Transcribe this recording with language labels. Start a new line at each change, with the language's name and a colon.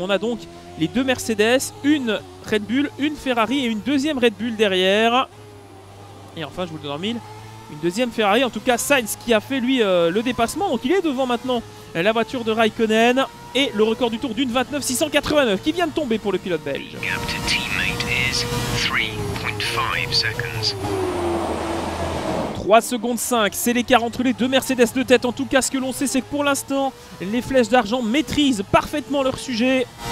French: On a donc les deux Mercedes, une Red Bull, une Ferrari et une deuxième Red Bull derrière. Et enfin, je vous le donne en mille, une deuxième Ferrari. En tout cas, Sainz qui a fait lui le dépassement. Donc il est devant maintenant la voiture de Raikkonen. Et le record du tour d'une 29-689 qui vient de tomber pour le pilote belge.
English: Gap to teammate is 3.5 seconds.
French: 3 secondes 5, c'est l'écart entre les deux Mercedes de tête. En tout cas, ce que l'on sait, c'est que pour l'instant, les flèches d'argent maîtrisent parfaitement leur sujet.